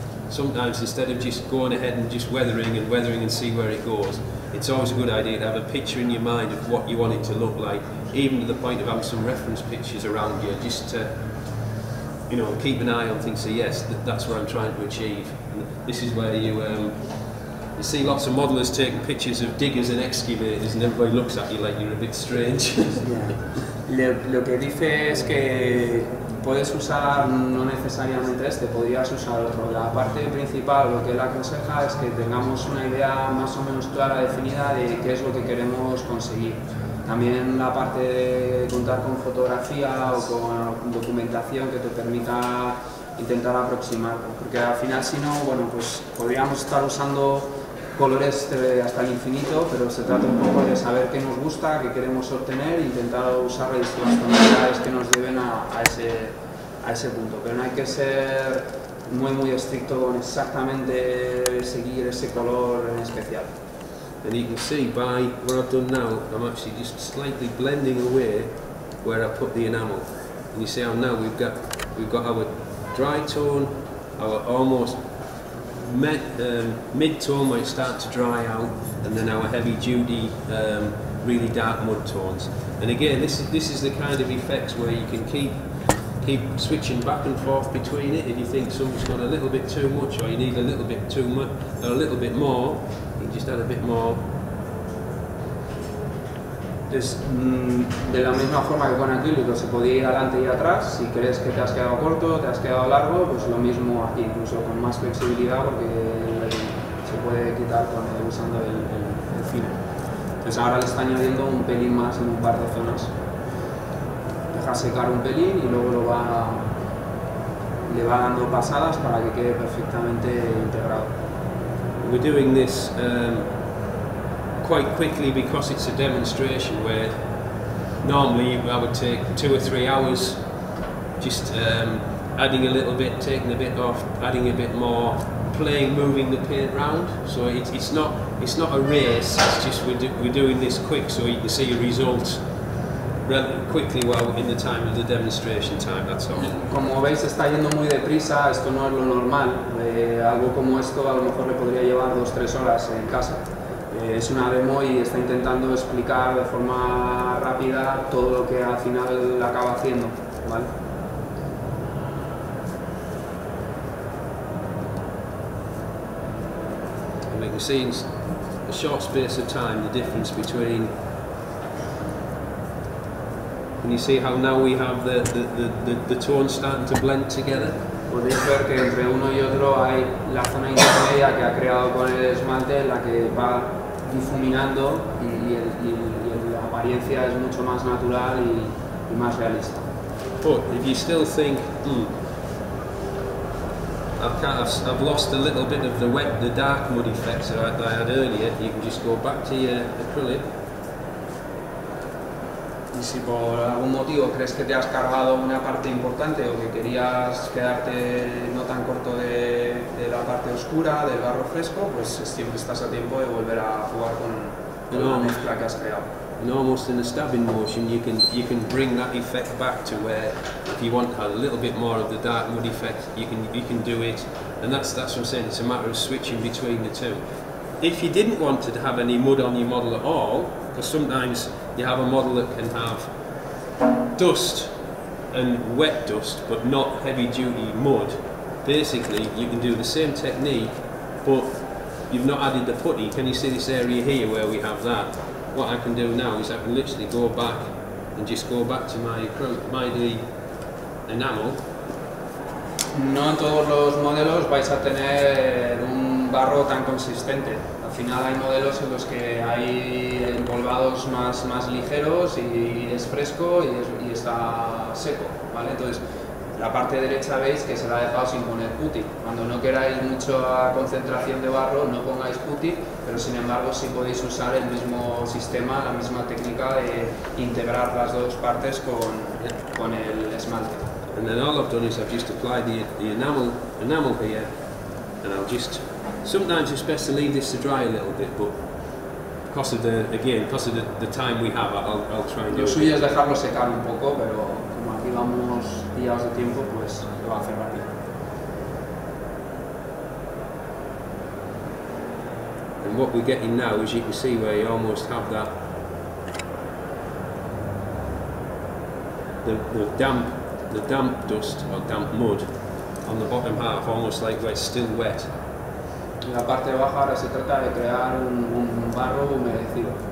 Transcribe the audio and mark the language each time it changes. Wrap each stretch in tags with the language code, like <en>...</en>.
<en>sometimes instead of just going ahead and just weathering and see where it goes, it's always a good idea to have a picture in your mind of what you want it to look like, even to the point of having some reference pictures around you, just to, you know, keep an eye on things, say, yes, that's what I'm trying to achieve. And this is where you, you see lots of modellers taking pictures of diggers and excavators and everybody looks at you like you're a bit strange.</en> <es>Lo que dice es que puedes usar, no necesariamente este, podrías usar otro. La parte principal, lo que él aconseja, es que tengamos una idea más o menos clara, definida, de qué es lo que queremos conseguir. También la parte de contar con fotografía o con documentación que te permita intentar aproximar. Porque al final, si no, bueno, pues podríamos estar usando colores hasta el infinito, pero se trata un poco de saber qué nos gusta, qué queremos obtener, e intentar usar las tonalidades que nos lleven a ese punto. Pero no hay que ser muy, muy estricto con exactamente seguir ese color en especial.</es> <en>And you can see by what I've done now, I'm actually just slightly blending away where I put the enamel. And you see how now we've got our dry tone, our almost mid-tone where it starts to dry out, and then our heavy-duty, really dark mud tones. And again, this is the kind of effects where you can keep switching back and forth between it. If you think something's got a little bit too much, or you need a little bit too much, or a little bit more, just add a bit more.</en> <es>Entonces, de la misma forma que con acrílico se podía ir adelante y atrás, si crees que te has quedado corto, te has quedado largo, pues lo mismo aquí, incluso con más flexibilidad, porque se puede quitar usando el fino. Entonces ahora le está añadiendo un pelín más en un par de zonas. Deja secar un pelín y luego le va dando pasadas para que quede perfectamente integrado.</es> <en>We're doing this quite quickly because it's a demonstration where normally I would take 2 or 3 hours just adding a little bit, taking a bit off, adding a bit more, playing, moving the paint round. So it's not a race, it's just we're doing this quick so you can see your results quickly while in the time of the demonstration time, that's all.</en> <es>Como veis, está yendo muy deprisa, esto no es lo normal. Algo como esto a lo mejor le podría llevar 2 o 3 horas en casa. Es una demo y está intentando explicar de forma rápida todo lo que al final acaba haciendo, ¿vale?</es> <en>And we can see in a short space of time the difference between. Can you see how now we have the tones starting to blend together?</en> <es>Podéis ver que entre uno y otro hay la zona intermedia que ha creado con el esmalte, la que va difuminando y la apariencia es mucho más natural y más realista.</es> <en>But if you still think, I've lost a little bit of the wet, the dark mud effects that I had earlier, you can just go back to your acrylic.</en> <es>Y si por algún motivo crees que te has cargado una parte importante o que querías quedarte no tan corto de la parte oscura, del barro fresco, pues siempre estás a tiempo de volver a jugar con la mezcla que has creado.</es> <en>In almost in a stabbing motion, you can bring that effect back to where if you want a little bit more of the dark mud effect, you can do it. And that's what I'm saying, it's a matter of switching between the two. If you didn't want to have any mud on your model at all, because sometimes you have a model that can have dust and wet dust, but not heavy duty mud. Basically, you can do the same technique, but you've not added the putty. Can you see this area here where we have that? What I can do now is I can literally go back and just go back to my enamel.</en> <es>No en todos los modelos vais a tener un barro tan consistente. Al final hay modelos en los que hay empolvados más ligeros y es fresco y está seco, ¿vale? Entonces, la parte derecha veis que se la ha dejado sin poner putty. Cuando no queráis mucha concentración de barro, no pongáis putty, pero sin embargo sí podéis usar el mismo sistema, la misma técnica de integrar las dos partes con el esmalte.</es> <en>And then all I've done is I've just applied the enamel here, and I'll just... Sometimes it's best to leave this to dry a little bit, but because of the time we have, I'll try and do it.</en> <es>Lo suyo es dejarlo secar un poco, pero como aquí vamos días de tiempo, pues lo va a hacer rápido.</es> <en>And what we're getting now is you can see where you almost have that the damp dust or damp mud on the bottom half, almost like where it's still wet.</en> <es>En la parte de abajo ahora se trata de crear un barro humedecido.</es>